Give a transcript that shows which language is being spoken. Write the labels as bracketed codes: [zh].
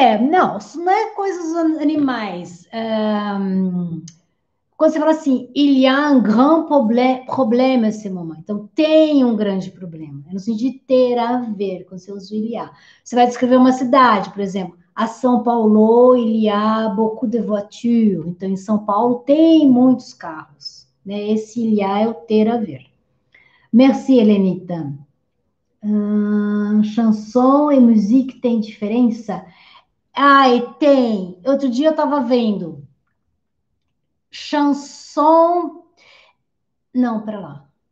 [pt] Não, isso não é coisas ou animais. Quando você fala assim, [fr] il y a un grand problème à ce moment. [pt] Então, tem um grande problema. É no sentido de ter a ver quando você usa il y a. Você vai descrever uma cidade, por exemplo. [fr] A São Paulo, il y a beaucoup de voitures. [pt] Então, em São Paulo tem muitos carros, né? Esse il y a é o ter a ver. Merci, Helenita. Chanson e musique tem diferença? Ai, tem. Outro dia eu estava vendo. Chanson. Não, para lá.